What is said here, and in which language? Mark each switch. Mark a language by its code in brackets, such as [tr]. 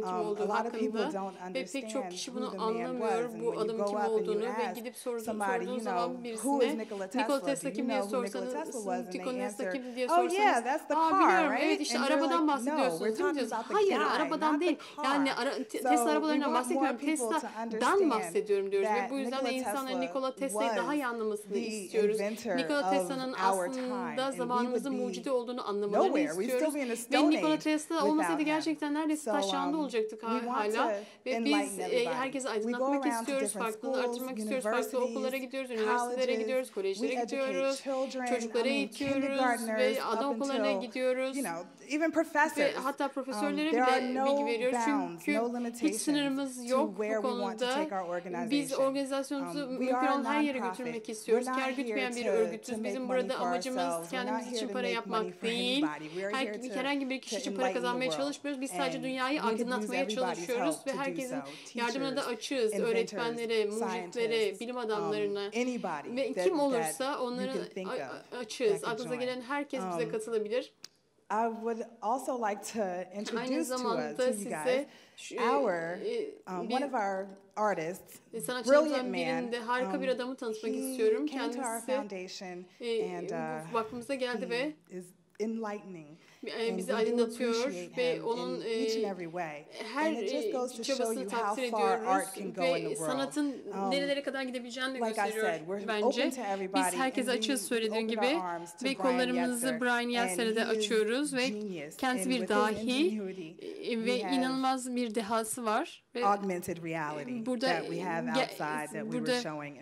[en] A lot of people don't understand who the man was. And when you go up and you ask somebody, you know, who is Nikola Tesla? Do you know who Nikola Tesla was? And they answer, oh yeah, that's the car, right? And you're like, no, we're talking about the guy. [tr] Arabadan değil. Yani Tesla arabalarından bahsetmiyorum. Tesla'dan bahsediyorum diyoruz. Ve bu yüzden de insanların Nikola Tesla'yı daha iyi anlamasını istiyoruz. Nikola Tesla'nın aslında zamanımızın mucidi olduğunu anlamalarını istiyoruz. Ve Nikola Tesla olmasaydı gerçekten neredeyse taş yağında olacaktık hala. Ve biz herkese aydınlatmak istiyoruz. Farklılığı artırmak istiyoruz. Farklı okullara gidiyoruz. Üniversitelere gidiyoruz. Kolejlere gidiyoruz. Çocuklara eğitiyoruz. Ve anaokullarına gidiyoruz. [en] Even professors. [tr] Ve hatta profesörlere bile bilgi veriyoruz. Çünkü hiç sınırımız yok bu konuda. Biz organizasyonumuzu mümkün olan her yere götürmek istiyoruz. Kâr gütmeyen bir örgütüz. Bizim burada amacımız kendimiz için para yapmak değil. Herhangi bir kişi için para kazanmaya çalışmıyoruz. Biz sadece dünyayı aydınlatmaya çalışıyoruz. Ve herkesin yardımına da açığız. Öğretmenlere, mucitlere, bilim adamlarına. Ve kim olursa onların açığız. Aklınıza gelen herkes bize katılabilir. [en] I would also like to introduce to you guys our one of our artists, brilliant man. He came to our foundation and he is enlightening. [tr] Bizi aydınlatıyor ve onun her çabasını takdir ediyoruz ve sanatın nerelere kadar gidebileceğini de gösteriyor bence. Biz herkese açığız söylediğim gibi ve kollarımızı Brian Yeltsin'e de açıyoruz ve kendisi bir dahi ve inanılmaz bir dehası var. [en] Augmented reality [tr] burada, [en] that we have outside that we were showing.